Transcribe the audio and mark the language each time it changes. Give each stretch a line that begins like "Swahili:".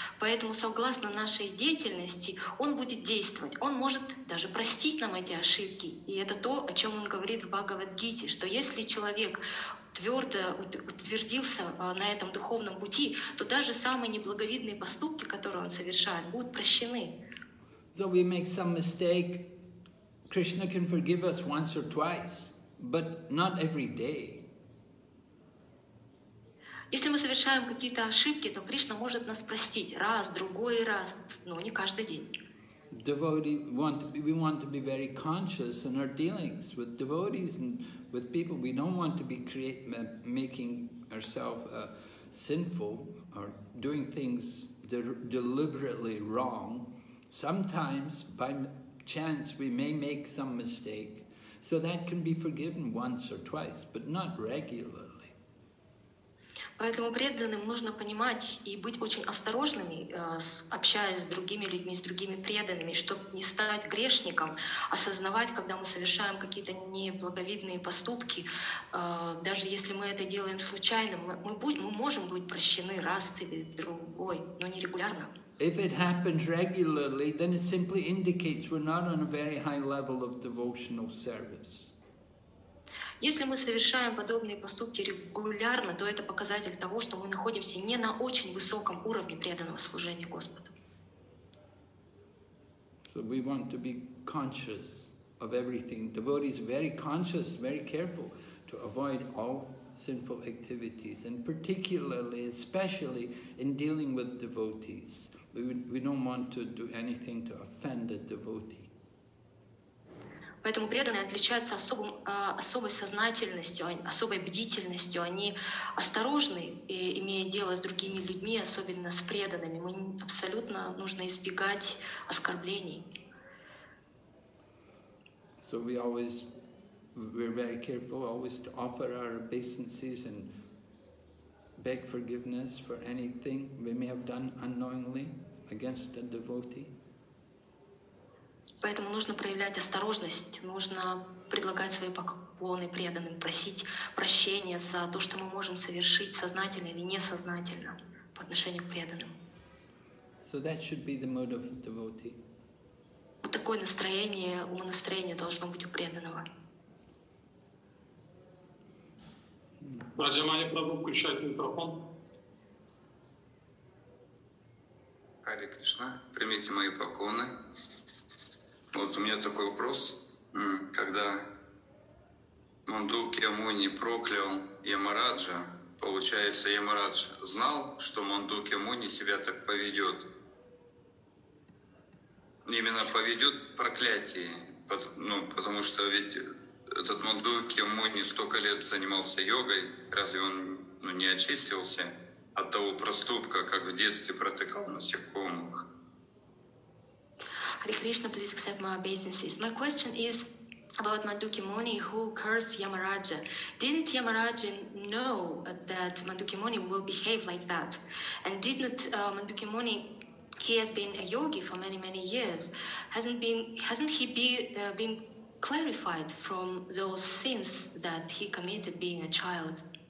Russian: Поэтому, согласно нашей деятельности, он будет действовать. Он может даже простить нам эти ошибки. И это то, о чем он говорит в Бхагавад-гите, что если человек твердо утвердился на этом духовном пути, то даже самые неблаговидные поступки, которые он совершает, будут прощены.
English: So we make some mistake, Krishna can forgive us once or twice, but not every day.
Russian: Если мы совершаем какие-то ошибки, то Кришна может нас простить раз, другой раз, но не каждый день.
English: We want to be very conscious in our dealings with devotees and with people. We don't want to be making ourselves sinful or doing things that are deliberately wrong. Sometimes, by chance, we may make some mistake. So that can be forgiven once or twice, but not regularly.
Russian: Поэтому преданным нужно понимать и быть очень осторожными, общаясь с другими людьми, с другими преданными, чтобы не стать грешником, осознавать, когда мы совершаем какие-то неблаговидные поступки, даже если мы это делаем случайно, мы можем быть прощены раз или другой, но не регулярно.
English: If it happens regularly, then it simply indicates we're not on a very high level of devotional service.
Russian: Если мы совершаем подобные поступки регулярно, то это показатель того, что мы находимся не на очень высоком уровне преданного служения Господу.
English: So we want to be conscious of everything. Devotees are very conscious, very careful to avoid all sinful activities, and particularly, especially in dealing with devotees. We don't want to do anything to offend a devotee.
Russian: Поэтому преданные отличаются особой сознательностью, особой бдительностью. Они осторожны, и, имея дело с другими людьми, особенно с преданными. Мы абсолютно нужно избегать оскорблений.
English: So we always, we're very careful always to offer our obeisances and beg forgiveness for anything we may have done unknowingly against a devotee.
Russian: Поэтому нужно проявлять осторожность, нужно предлагать свои поклоны преданным, просить прощения за то, что мы можем совершить сознательно или несознательно по отношению к преданным.
English: So that should be the mood of a devotee.
Russian: Вот такое настроение, умонастроение должно быть у преданного. Раджамани Прабху, включайте микрофон. Харе Кришна, примите мои поклоны. Вот у меня такой вопрос, когда Мандукья Муни проклял Ямараджа, получается, Ямарадж знал, что Мандукья Муни себя так поведет, именно поведет в проклятии, ну, потому что ведь этот Мандукья Муни столько лет занимался йогой, разве он ну, не очистился от того проступка, как в детстве протыкал насекомых?
English: Hare Krishna, please accept my obeisances. My question is about Mandukya Muni who cursed Yamaraja. Didn't Yamaraja know that Mandukya Muni will behave like that? And didn't Mandukya Muni, he has been a yogi for many, many years, hasn't he been clarified from those sins that he committed being a child?